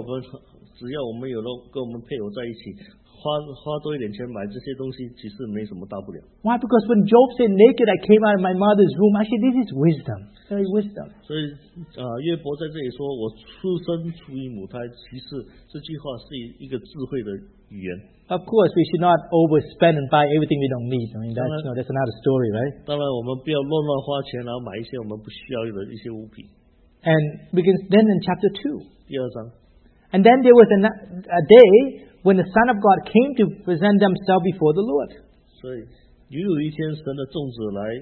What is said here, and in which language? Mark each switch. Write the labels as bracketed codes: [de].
[zh] 很多时候我的出发点就是，只要我们有了跟我们配偶在一起。花多一点钱买这些东西，其实没什么大不了。 [en] Why? Because when Job said, "Naked I came out of my mother's womb," actually this is wisdom, very wisdom. [zh] 所以，约伯在这里说，我出生出于母胎，其实这句话是一个智慧的语言。 [en] Of course, we should not overspend and buy everything we don't need. I mean, that's, you know, that's another story, right? [zh] 当然，我们不要乱花钱，然后买一些我们不需要的一些物品。 [en] And begins then in chapter 2. [zh] 第二章。 [en] And then there was a day when the Son of God came to present themselves before the Lord. [zh] 所以，又有一天，神的众子来